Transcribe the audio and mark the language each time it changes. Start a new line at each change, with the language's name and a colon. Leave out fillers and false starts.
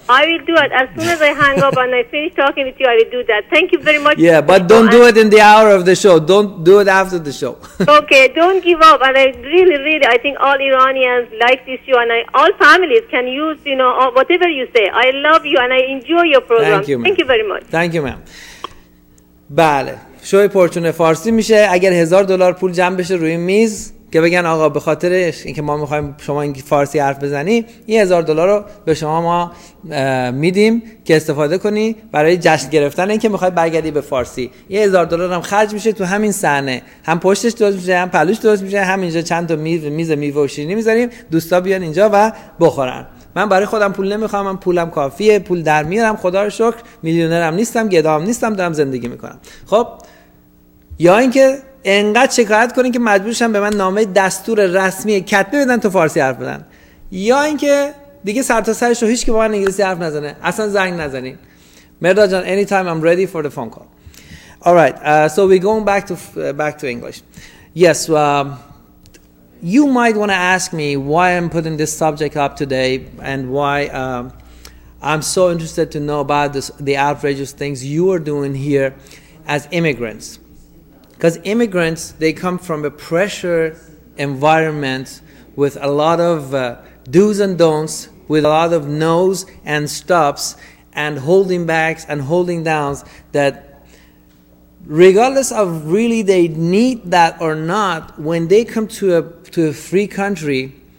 English: I will do it. As soon as I hang up and I finish talking with you, I will do that. Thank you very much. Yeah, but don't do it in the hour of the show. Don't do it after the show. Okay. Don't give up. And I really, really, I think all Iranians like this show. And all families can use, you know, whatever you say. I love you and I enjoy your program. Thank you, ma'am. Thank you very much. Thank you, ma'am.
Persian: بله، شوی پرچون فارسی میشه. اگر $1,000 پول جمع بشه روی میز که بگن آقا به خاطر اینکه ما میخوایم شما این فارسی حرف بزنی، این $1,000 رو به شما ما میدیم که استفاده کنی برای جشن گرفتن اینکه میخوای برگردی به فارسی. این $1,000 هم خرج میشه تو همین صحنه، هم پشتش درست میشه، هم پلوش درست میشه، هم اینجا چند تا میز میوه و شیرینی میذاریم، دوستا بیان اینجا و بخورن. من برای خودم پول نمیخوام، من پولم کافیه، پول در میارم، خدا رو شکر میلیونرم نیستم، گدام نیستم، دارم زندگی میکنم. خب یا اینکه انقدر شکایت کنین که مجبورشن به من نامه دستور رسمی کتبه بدن تو فارسی حرف بزنن، یا اینکه دیگه سر تا سرش رو هیچ که با من انگلیسی حرف نزنه، اصلا زنگ نزنین.
English: مرداد جان، any time I'm ready for the phone call. Alright, so we going back to English. Yes, you might want to ask me why I'm putting this subject up today and why I'm so interested to know about the outrageous things you are doing here as immigrants. Because immigrants, they come from a pressure environment with a lot of do's and don'ts, with a lot of no's and stops and holding backs and holding downs, that regardless of really they need that or not, when they come to a free country,